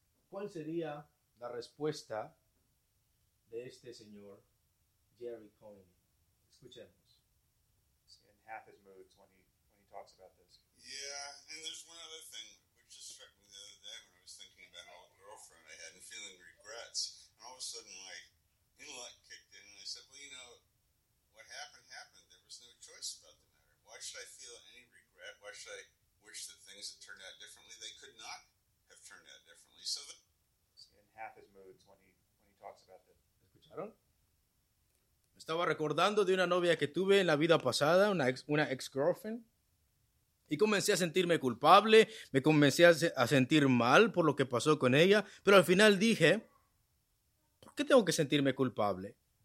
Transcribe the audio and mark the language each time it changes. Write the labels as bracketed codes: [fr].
[es] ¿Cuál sería la respuesta de este señor Jerry Cohen? Escuchemos. [en] In half his moods when he talks about this. Yeah, and there's one other thing which just struck me the other day when I was thinking about an old girlfriend I had and feeling regrets. And all of a sudden my intellect kicked in and I said, well, you know, what happened, happened. There was no choice about the matter. Why should I feel any regret? Why should I wish that things had turned out differently? They could not have turned out differently. So the half his moods when he talks about this. [es] ¿Escucharon? Me estaba recordando de una novia que tuve en la vida pasada, una ex girlfriend, y comencé a sentirme culpable, me comencé a sentir mal por lo que pasó con ella, pero al final dije, ¿por qué tengo que sentirme culpable?